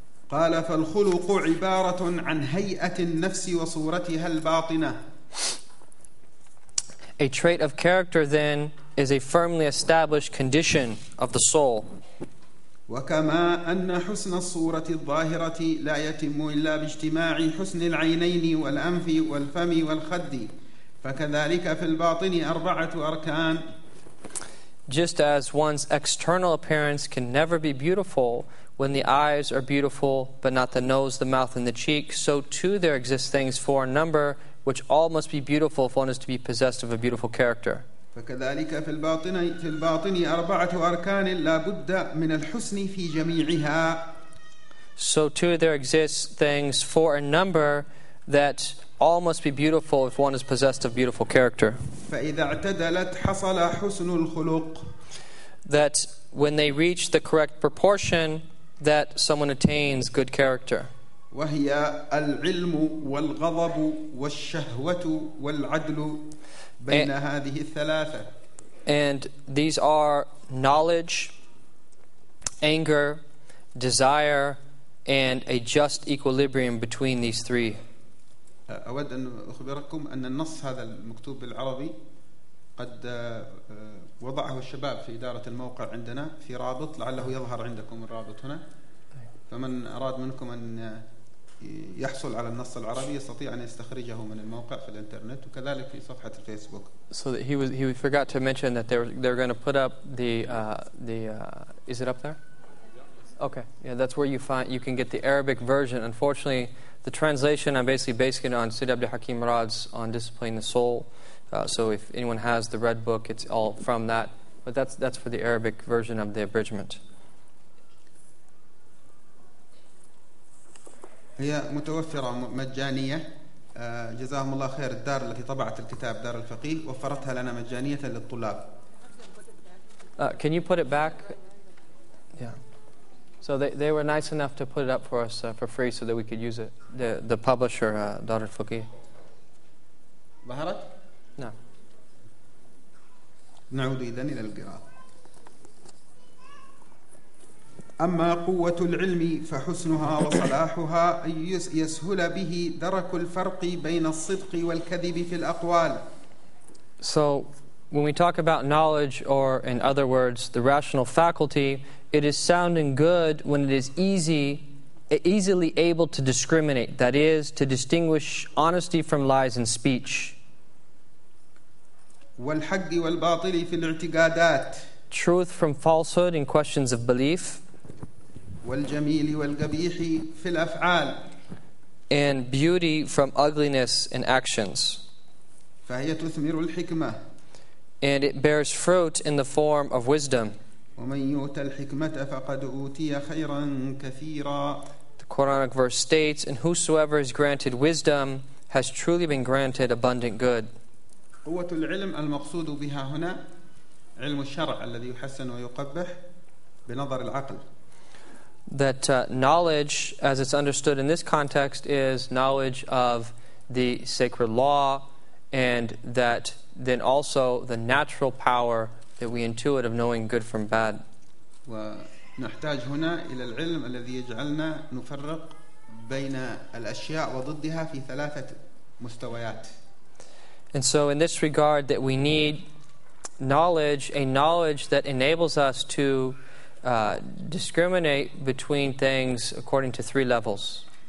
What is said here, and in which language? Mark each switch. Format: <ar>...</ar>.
<ar>قال فالخلق عبارة عن هيئة النفس وصورتها الباطنة.</ar> <en>A trait of character then is a firmly established condition of the soul.</en> <ar>وكما أن حسن الصورة الظاهرة لا يتم إلا باجتماع حسن العينين والأنف والفم والخد، فكذلك في الباطن أربعة أركان.</ar> <en>Just as one's external appearance can never be beautiful when the eyes are beautiful but not the nose, the mouth, and the cheek, so too there exist things for a number which all must be beautiful if one is to be possessed of a beautiful character.</en> <ar>فكذلك في الباطن أربعة أركان لا بد من الحسن في جميعها.</ar> <en>So too there exist things for a number that all must be beautiful if one is possessed of beautiful character.</en> <ar>فإذا اعتدلت حصل حسن الخلق.</ar> <en>That when they reach the correct proportion, that someone attains good character.</en> <ar>وهي العلم والغضب والشهوة والعدل بين هذه الثلاثة.</ar> <en>And these are knowledge, anger, desire, and a just equilibrium between these three.</en> <ar>أود أن أخبركم أن النص هذا المكتوب بالعربي قد وضعه الشباب في إدارة الموقع عندنا في رابط، لعله يظهر عندكم الرابط هنا، فمن أراد منكم أن يحصل على النص العربي يستطيع أن يستخرجه من الموقع في الإنترنت وكذلك في صفحة الفيسبوك.</ar> <en>So that he forgot to mention that they're going to put up the is it up there? Okay, yeah, that's where you can get the Arabic version. Unfortunately, the translation I'm basically basing it on Sid Abdul Hakim Rad's on Discipline the Soul. So if anyone has the red book, it's all from that. But that's for the Arabic version of the abridgment.</en> <ar>هي متوفرة مجانية، جزاهم الله خير، الدار التي طبعت الكتاب دار الفقيه وفرتها لنا مجانية للطلاب.</ar> <en>Can you put it back? Yeah. So they were nice enough to put it up for us for free so that we could use it. The publisher دار الفقيه.</en> <ar>ظهرت؟ نعم. نعود إذن إلى القراءة. أما قوة العلم فحسنها وصلاحها يسهل به درك الفرق بين الصدق والكذب في الأقوال.</ar> <en>So when we talk about knowledge, or in other words the rational faculty, it is sound and good when it is easily able to discriminate, that is to distinguish honesty from lies in speech.</en> <ar>والحق والباطل في الاعتقادات.</ar> <en>Truth from falsehood in questions of belief.</en> <ar>والجميل والقبيح في الأفعال.</ar> <en>And beauty from ugliness in actions.</en> <ar>فهي تثمر الحكمة.</ar> <en>And it bears fruit in the form of wisdom.</en> <ar>ومن يؤت الحكمة فقد أوتي خيرا كثيرا.</ar> <en>The Quranic verse states, and whosoever is granted wisdom has truly been granted abundant good.</en> <ar>قوة العلم المقصود بها هنا علم الشرع الذي يحسن ويقبح بنظر العقل.</ar> <en>That knowledge, as it's understood in this context, is knowledge of the sacred law, and that then also the natural power that we intuit of knowing good from bad.</en> <ar>ونحتاج هنا إلى العلم الذي يجعلنا نفرق بين الأشياء وضدها في ثلاثة مستويات.</ar> <en>And so in this regard that we need knowledge, a knowledge that enables us to discriminate between things according to three levels.</en>